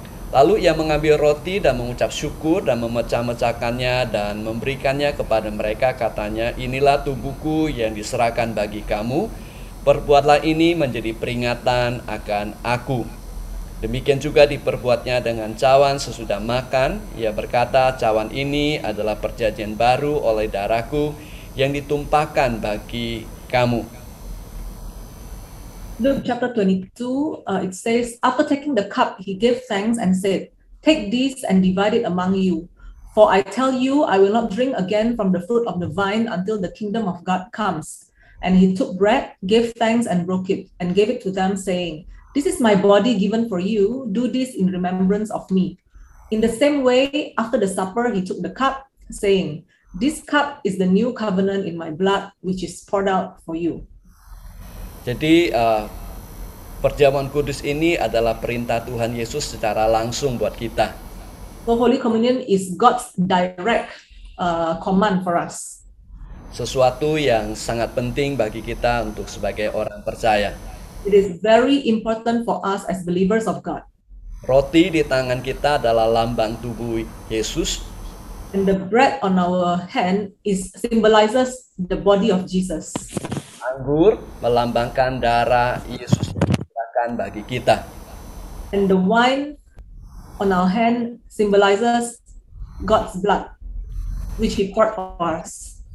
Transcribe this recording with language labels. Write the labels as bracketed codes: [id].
[id] Lalu ia mengambil roti dan mengucap syukur dan memecah-mecahkannya dan memberikannya kepada mereka, katanya, inilah tubuhku yang diserahkan bagi kamu, perbuatlah ini menjadi peringatan akan aku. Demikian juga diperbuatnya dengan cawan sesudah makan. Ia berkata, cawan ini adalah perjanjian baru oleh darahku yang ditumpahkan bagi kamu. [en] Luke chapter 22, it says, after taking the cup, he gave thanks and said, take this and divide it among you. For I tell you, I will not drink again from the fruit of the vine until the kingdom of God comes. And he took bread, gave thanks and broke it, and gave it to them saying, this is my body given for you, do this in remembrance of me. In the same way, after the supper, he took the cup saying, this cup is the new covenant in my blood, which is poured out for you. [id] Jadi perjamuan kudus ini adalah perintah Tuhan Yesus secara langsung buat kita. [en] So Holy Communion is God's direct command for us. [id] Sesuatu yang sangat penting bagi kita untuk sebagai orang percaya. [en] It is very important for us as believers of God. [id] Roti di tangan kita adalah lambang tubuh Yesus. [en] And the bread on our hand is symbolizes the body of Jesus. [id] Anggur melambangkan darah Yesus diserahkan bagi kita. [en] And the wine on our hand symbolizes God's blood, which He poured for us.